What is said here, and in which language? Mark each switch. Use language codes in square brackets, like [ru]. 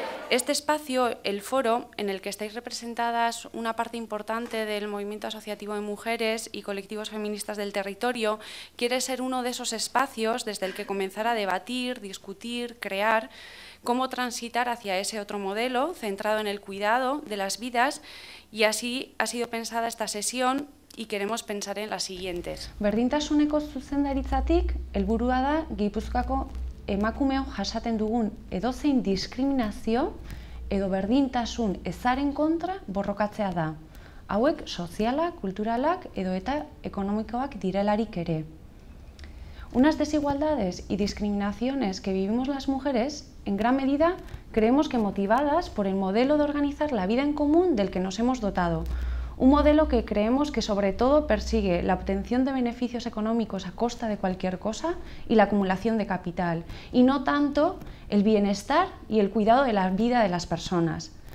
[es] este espacio, el foro, en el que estáis representadas una parte importante del movimiento asociativo de mujeres y colectivos feministas del territorio, quiere ser uno de esos espacios desde el que comenzar a debatir, discutir, crear, cómo transitar hacia ese otro modelo centrado en el cuidado de las vidas, y así ha sido pensada esta sesión y queremos pensar en las siguientes. [eu] Berdintasuneko zuzendaritzatik, helburua da Gipuzkoako emakumeon jasaten dugun edozein diskriminazio edo berdintasun ezaren kontra borrokatzea da. Hauek sozialak, kulturalak edo eta ekonomikoak direlarik ere. [es] Unas desigualdades y discriminaciones que vivimos las mujeres, en gran medida, creemos que motivadas por el modelo de organizar la vida en común del que nos hemos dotado. Un modelo que creemos que sobre todo persigue la obtención de beneficios económicos a costa de cualquier cosa y la acumulación de capital, y no tanto el bienestar y el cuidado de la vida de las personas.